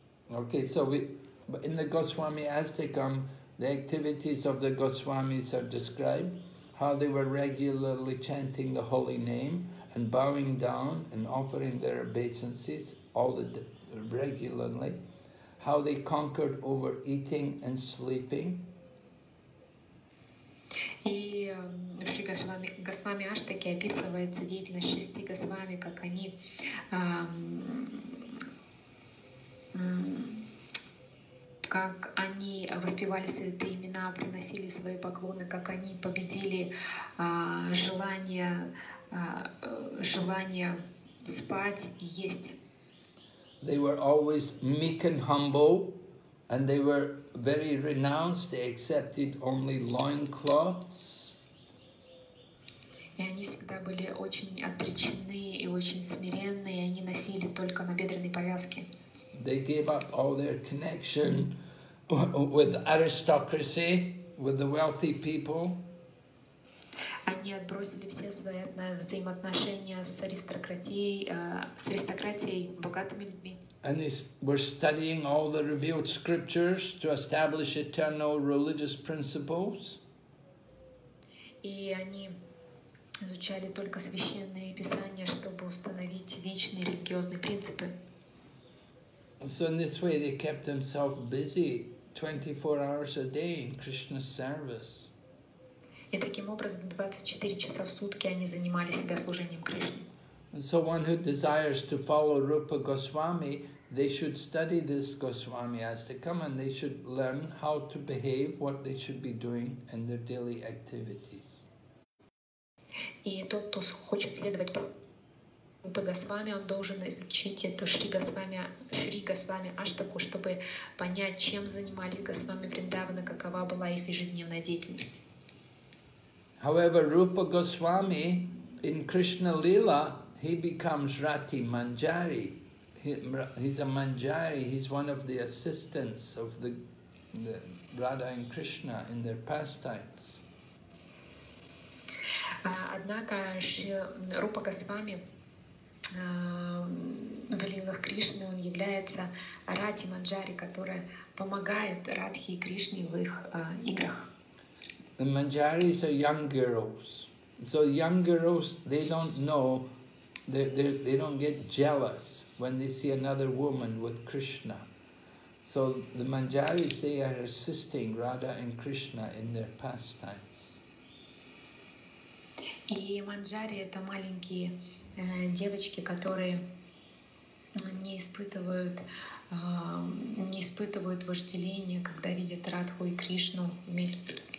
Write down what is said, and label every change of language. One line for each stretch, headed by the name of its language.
English: Okay, so in the Goswami Ashtakam, the activities of the Goswamis are described, how they were regularly chanting the holy name and bowing down and offering their obeisances all the day. Regularly, how they conquered over eating and sleeping.
Russian: И Шри Госвами Аштаки описывается деятельность шести Госвами, как они воспевали святые имена, приносили свои поклоны, как они победили желание спать и есть.
English: They were always meek and humble, and they were very renounced. They accepted only loincloths.
Russian: И они всегда были очень отречены и очень смиренные. Они носили только набедренные повязки.
English: They gave up all their connection with aristocracy, with the wealthy people.
Russian: Они отбросили все свои взаимоотношения с аристократией, богатыми людьми.
English: And they were studying all the revealed scriptures to establish eternal religious principles.
Russian: И они изучали только священные писания, чтобы установить вечные религиозные принципы.
English: So in this way they kept themselves busy 24 hours a day in Krishna's service.
Russian: И таким образом 24 часа в сутки они занимали себя служением Кришне.
English: And so one who desires to follow Rupa Goswami, they should study this Goswami Astikam and they should learn how to behave, what they should be doing in their daily activities.
Russian: И тот, кто хочет следовать Рупа Госвами, он должен изучить эту Шри Госвами Аштаку, чтобы понять, чем занимались Госвами Вриндавана, какова была их ежедневная деятельность.
English: However, Rupa Goswami, in Krishna Lila, he becomes Rati Manjari. He's a Manjari, he's one of the assistants of the Radha and Krishna in their pastimes.
Russian: Однако Rupa Goswami в лилах Кришны, он является Рати Манджари, которая помогает Радхе и Кришне в их играх.
English: The Manjaris are young girls. So young girls, they don't know, they don't get jealous when they see another woman with Krishna. So the Manjaris, they are assisting Radha and Krishna in their pastimes.
Russian: И Манджари — это маленькие девочки, которые не испытывают вожделения, когда видят Радху и Кришну вместе.